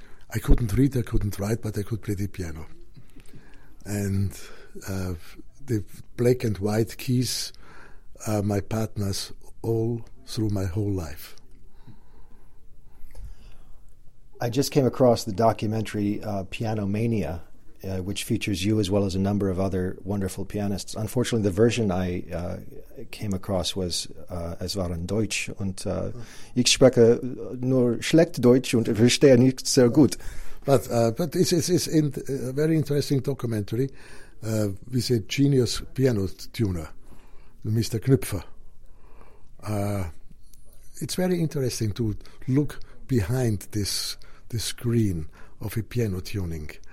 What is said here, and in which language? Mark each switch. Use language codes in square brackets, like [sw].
[en] I couldn't read, I couldn't write, but I could play the piano. And the black and white keys are my partners all through my whole life. I just came across the documentary Piano Mania, which features you as well as a number of other wonderful pianists. Unfortunately, the version I came across was [de] es war in Deutsch und ich spreche nur schlecht Deutsch und verstehe nicht sehr gut. [en] But it's in a very interesting documentary with a genius piano tuner, Mr. Knüpfer. It's very interesting to look behind this screen of a piano tuning.